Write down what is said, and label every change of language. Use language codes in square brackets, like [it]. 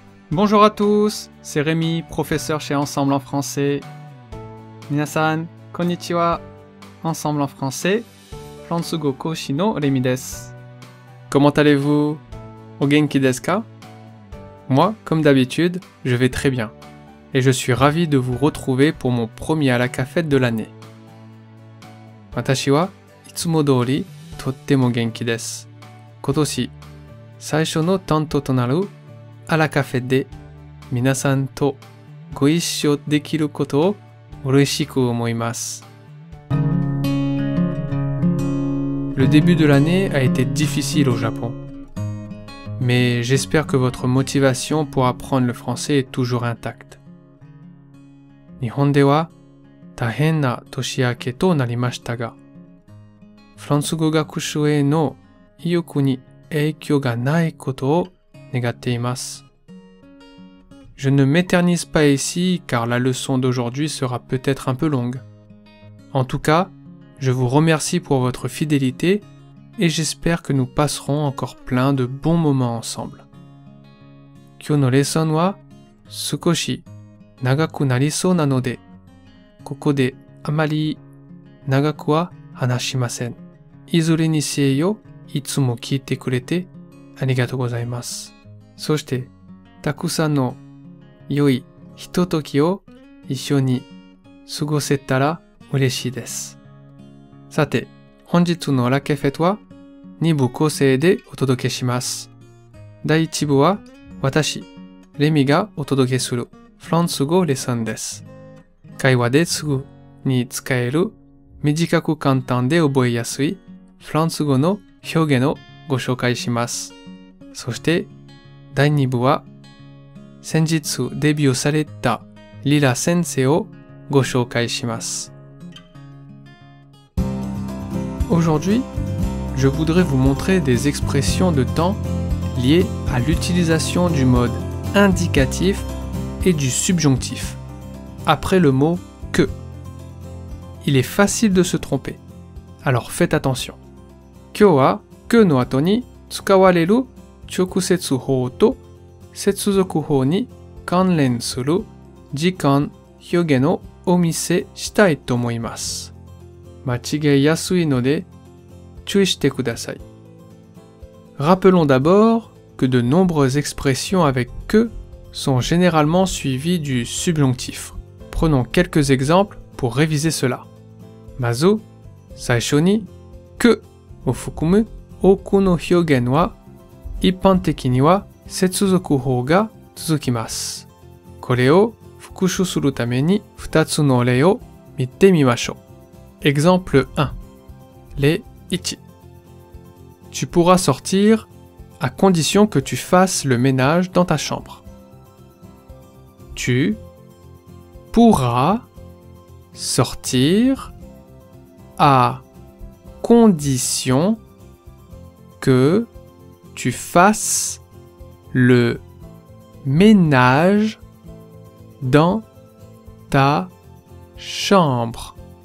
[fr] Bonjour à tous, c'est Rémi, professeur chez Ensemble en français. [ja] 皆さん、こんにちは。 Ensemble en français, フランス語講師のレミです。 [fr] Comment allez-vous? [ja] お元気ですか? [fr] Moi, comme d'habitude, je vais très bien. Et je suis ravi de vous retrouver pour mon premier Arakafête de l'année. [ja] 私は、いつも通り、とっても元気です。今年、最初の担当となるアラカフェで皆さんとご一緒できることを嬉しく思います。 [fr] Le début de l'année a été difficile au Japon. Mais j'espère que votre motivation pour apprendre le français est toujours intacte. [ja] 日本では大変な年明けとなりましたが、フランス語学習への意欲に影響がないことを願っています。 [fr] Je ne m'éternise pas ici car la leçon d'aujourd'hui sera peut-être un peu longue. En tout cas, je vous remercie pour votre fidélité et j'espère que nous passerons encore plein de bons moments ensemble. [ja] 今日のレッスンは少し長くなりそうなので、ここであまり長くは話しません。いずれにせよ、いつも聞いてくれてありがとうございます。そして、たくさんの良いひとときを一緒に過ごせたら嬉しいです。さて、本日のラケフェトは2部構成でお届けします。第1部は私、レミがお届けするフランス語レッスンです。会話ですぐに使える短く簡単で覚えやすいフランス語の表現をご紹介します。そして、第2部は先日デビューされたリラ先生をご紹介します。 [fr] Aujourd'hui, je voudrais vous montrer des expressions de temps liées à l'utilisation du mode indicatif et du subjonctif, après le mot « que ». Il est facile de se tromper, alors faites attention. [ja] 今日は「que」の後に使われる直接法と接続法に関連する時間表現をお見せしたいと思います。間違いやすいので注意してください。 [fr] Rappelons d'abord que de nombreuses expressions avec que sont généralement suivies du subjonctif. Prenons quelques exemples pour réviser cela. [ja] まず、最初に que を含む多くの表現は一般的には接続法が続きます。これを復習するために2つの例を見てみましょう。 [fr] Exemple 1. Les 1. Tu pourras sortir à condition que tu fasses le ménage dans ta chambre. Tu pourras sortir à condition que tu fasses le ménage dans ta chambre.